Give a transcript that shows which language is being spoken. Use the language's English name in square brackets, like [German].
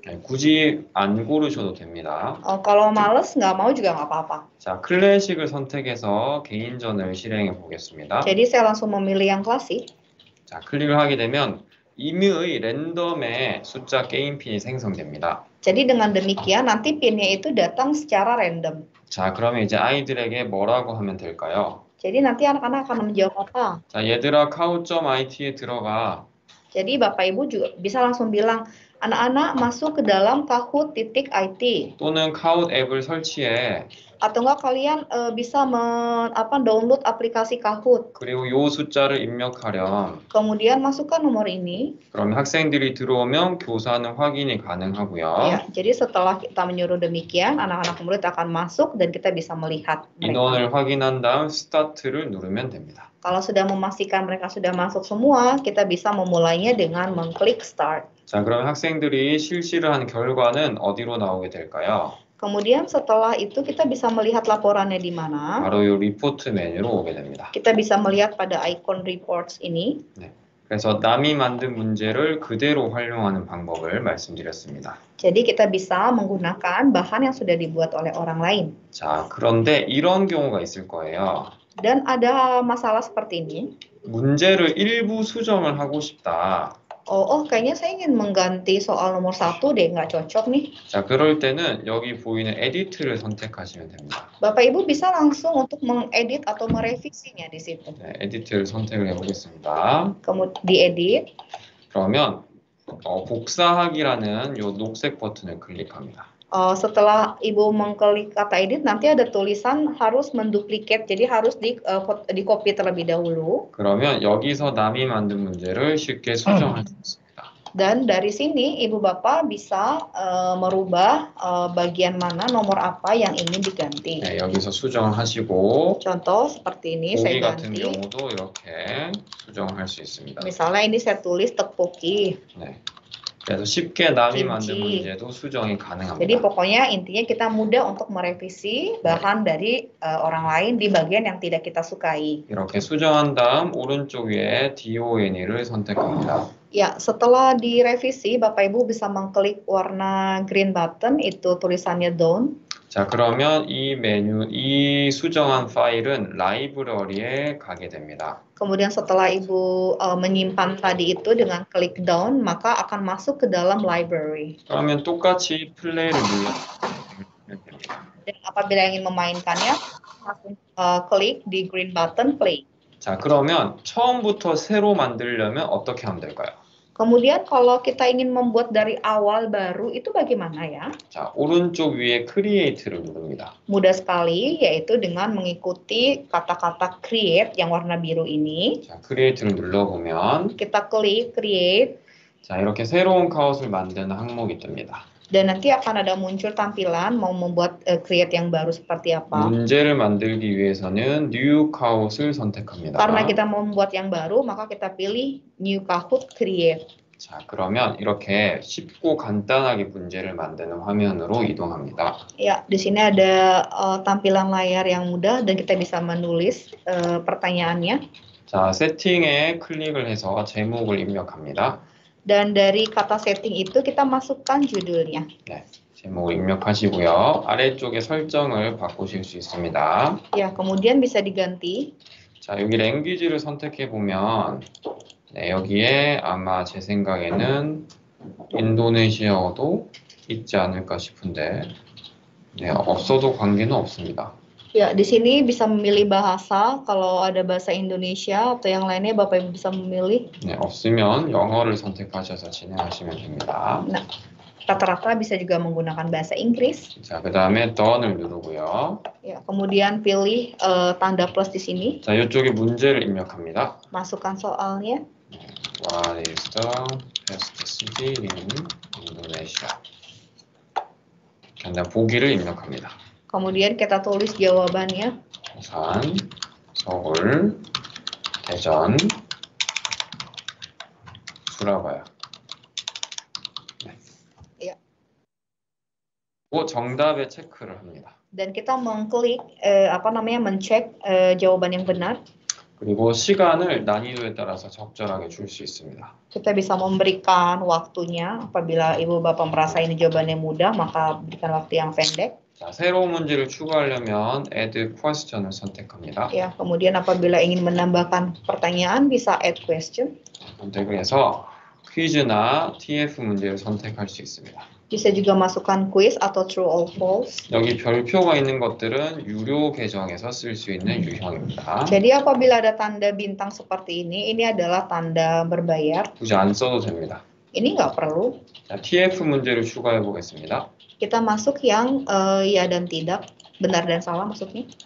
[Korean] 네, 굳이 안 고르셔도 됩니다. [Indonesian] Kalau males, nggak mau juga nggak apa-apa. [Korean] 자, 클래식을 선택해서 개인전을 실행해 보겠습니다. [Indonesian] Jadi saya langsung memilih yang klasik. [Korean] 자, 클릭을 하게 되면 임의 랜덤에 숫자 게임 핀이 생성됩니다. [Indonesian] Jadi dengan demikian nanti pinnya itu datang secara random. [Korean] 자, 그러면 이제 아이들에게 뭐라고 하면 될까요? [Indonesian] Jadi nanti anak-anak akan menjawab apa? [Korean] 자, 얘들아 kau.it에 들어가. [Indonesian] Jadi bapak ibu juga bisa langsung bilang anak-anak masuk ke dalam kahoot.it [Korean] 또는 kahoot 앱을 설치해. [Indonesian] Atau enggak kalian bisa download aplikasi kahoot. [Korean] 그리고 요 숫자를 입력하렴. [Indonesian] Kemudian masukkan nomor ini. [Korean] 그러면 학생들이 들어오면 교사는 확인이 가능하고요. [Indonesian] Ya, jadi setelah kita menyuruh demikian, anak-anak murid akan masuk dan kita bisa melihat. [Korean] 인원을 확인한 다음 start를 누르면 됩니다. [Indonesian] Kalau sudah memastikan mereka sudah masuk semua, kita bisa memulainya dengan mengklik start. [Korean] 자, 그러면 학생들이 실시를 한 결과는 어디로 나오게 될까요? [Indonesian] Kemudian setelah itu kita bisa melihat laporannya di mana. [Korean] 바로 이 report 메뉴로 오게 됩니다. [Indonesian] Kita bisa melihat pada icon reports ini. [Korean] 네. 그래서 남이 만든 문제를 그대로 활용하는 방법을 말씀드렸습니다. [Indonesian] Jadi kita bisa menggunakan bahan yang sudah dibuat oleh orang lain. [Korean] 자, 그런데 이런 경우가 있을 거예요. [Indonesian] Dan ada masalah seperti ini. [Korean] 문제를 일부 수정을 하고 싶다. [Indonesian] Oh, kayaknya saya ingin mengganti soal nomor 1 deh, nggak cocok nih. [Korean] 자, 그럴 때는 여기 보이는 edit를 선택하시면 됩니다. [Indonesian] Bapak Ibu bisa langsung untuk mengedit atau merevisinya di situ. [Korean] 네, edit를 선택을 해보겠습니다. [Indonesian] Kemudian di edit. [Korean] 그러면 복사하기라는 요 녹색 버튼을 클릭합니다. [Indonesian] Setelah Ibu mengklik kata edit, nanti ada tulisan harus menduplikat, jadi harus di copy terlebih dahulu. [Korean] 그러면 여기서 남이 만든 문제를 쉽게 수정할 수 있습니다. [Indonesian] Dan dari sini Ibu Bapak bisa merubah bagian mana, nomor apa yang ingin diganti. [Korean] 네, 여기서 수정하시고. [Indonesian] Contoh seperti ini saya ganti. [Korean] 고기 같은 경우도 이렇게 수정할 수 있습니다. [Indonesian] Misalnya ini saya tulis tteokbokki. [Korean] 네. 그래서 쉽게 남이 김치. 만든 문제도 수정이 가능합니다. [Indonesian] �adi pokoknya intinya kita mudah untuk merevisi bahan dari orang lain di bagian yang tidak kita sukai. [Korean] 이렇게 수정한 다음 오른쪽 위에 DONE를 선택합니다. [Indonesian] Ya, setelah direvisi, Bapak Ibu bisa mengklik warna green button, itu tulisannya done. [Korean] 자, 그러면 이 메뉴, 이 수정한 파일은 라이브러리에 가게 됩니다. [Indonesian] Kemudian setelah Ibu menyimpan tadi itu dengan klik down, maka akan masuk ke dalam library. [Korean] 그러면 똑같이 플레이를 눌러. [Indonesian] Dan apabila ingin memainkannya, langsung klik di green button play. [Korean] 자, 그러면 처음부터 새로 만들려면 어떻게 하면 될까요? [Indonesian] Kemudian kalau kita ingin membuat dari awal baru itu bagaimana ya? [Korean] 자, 오른쪽 위에 create를 누릅니다. [Indonesian] Mudah sekali yaitu dengan mengikuti kata-kata create yang warna biru ini. [Korean] 자, create를 눌러 보면 [Indonesian] kita klik create. [Korean] 자, 이렇게 새로운 카웃을 만드는 항목이 뜹니다. [Indonesian] Dan nanti akan ada muncul tampilan mau membuat create yang baru seperti apa. [Korean] 문제를 만들기 위해서는 new kahoot을 선택합니다. [Indonesian] Karena kita mau membuat yang baru, maka kita pilih new kahoot create. [Korean] 자, 그러면 이렇게 쉽고 간단하게 문제를 만드는 화면으로 이동합니다. [Indonesian] Ya, di sini ada tampilan layar yang mudah dan kita bisa menulis pertanyaannya. [Korean] 자, 세팅에 클릭을 해서 제목을 입력합니다. [Indonesian] Dan dari kata setting itu kita masukkan judulnya. [Korean] 네, 제목을 입력하시고요. 아래쪽에 설정을 바꾸실 수 있습니다. [Indonesian] Ya, kemudian bisa diganti. [Korean] 자, 여기 language를 선택해 보면, 네, 여기에 아마 제 생각에는 인도네시아어도 있지 않을까 싶은데, 네, 없어도 관계는 없습니다. [Indonesian] Ya, di sini bisa memilih bahasa. Kalau ada bahasa Indonesia atau yang lainnya, Bapak Ibu bisa memilih. [Korean] 네, 없으면 영어를 선택하셔서 진행하시면 됩니다. [Indonesian] Nah, rata-rata bisa juga menggunakan bahasa Inggris. [Korean] 자, 그다음에 done을 누르고요. [Indonesian] Ya, kemudian pilih tanda plus di sini. [Korean] 자, 이쪽에 문제를 입력합니다. [Indonesian] Masukkan soalnya. [English] What is the best city in Indonesia? [Korean] 그다음 보기를 입력합니다. [Indonesian] Kemudian kita tulis jawabannya. [Korean] 부산, 서울, 대전, 수라바야. 네. 오, 정답에 체크를 합니다. [Indonesian] Dan kita mengklik apa namanya mencek jawaban yang benar. [Korean] 그리고 시간을 난이도에 따라서 적절하게 줄 수 있습니다. [Indonesian] Kita bisa memberikan waktunya apabila ibu bapak merasa ini jawabannya mudah maka berikan waktu yang pendek. [Korean] 자, 새로운 문제를 추가하려면 add question을 선택합니다. [Indonesian] 야, kemudian apabila ingin menambahkan pertanyaan bisa add question. [Korean] 선택을 해서 퀴즈나 TF 문제를 선택할 수 있습니다. [Indonesian] Bisa juga masukkan quiz atau true or false. [Korean] 여기 별표가 있는 것들은 유료 계정에서 쓸 수 있는 유형입니다. [Indonesian] Jadi apabila ada tanda bintang seperti ini adalah tanda berbayar. [Korean] 굳이 안 써도 됩니다. [Indonesian] Ini enggak perlu. [Korean] 자, TF 문제를 추가해 보겠습니다. [Indonesian] Kita masuk yang ya dan tidak, benar dan salah maksudnya.